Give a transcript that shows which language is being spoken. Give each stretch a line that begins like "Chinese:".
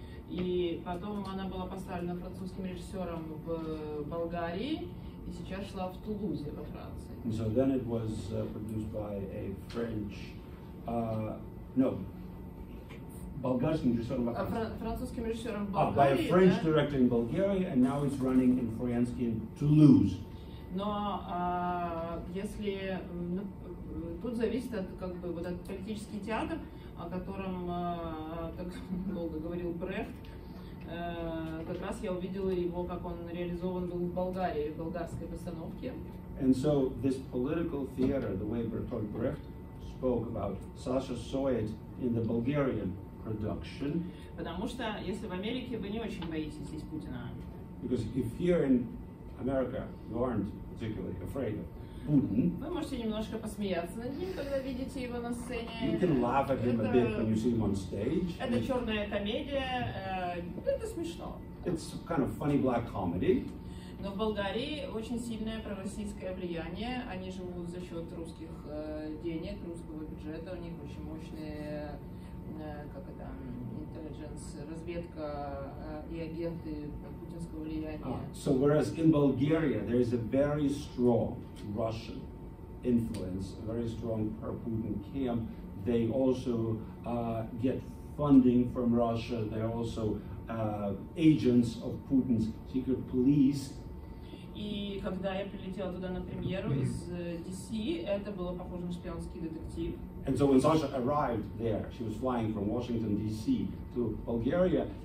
Russian: И потом она была поставлена французским режиссером в Болгарии. И сейчас шла в Тулузе во Франции.
English: And so then it was produced by a French,
Russian: Болгарским режиссером во Франции. Французским режиссером в Болгарии.
English: By a French director in Bulgaria, and now it's running in France in Toulouse.
Russian: Но если тут зависит от как бы вот этот политический театр, о котором так долго говорил Брехт. Как раз я увидела его, как он реализован был в Болгарии, в болгарской постановке.
English: And so this political theater, the way Bertolt Brecht spoke about, Sasha saw it in the Bulgarian production.
Russian: Потому что если в Америке вы не очень боитесь здесь Путина.
English: Because if here in America you aren't particularly afraid of Putin.
Russian: Вы можете немножко посмеяться над ним, когда видите его на сцене.
English: You can laugh at him a bit when you see him on stage.
Russian: Это черная комедия. Это смешно.
English: It's kind of funny black comedy.
Russian: Но в Болгарии очень сильное пророссийское влияние. Они живут за счет русских денег, русского бюджета. У них очень мощные, как это, intelligence, разведка и агенты путинского влияния.
English: So whereas in Bulgaria there is a very strong Russian influence, a very strong pro-Putin camp. They also get funding from Russia. They're also agents of Putin's secret police.
Russian: И когда я прилетела туда на премьеру из DC, это было похоже на шпионский детектив.
English: And so when Sasha arrived there, she was flying from Washington DC to Bulgaria.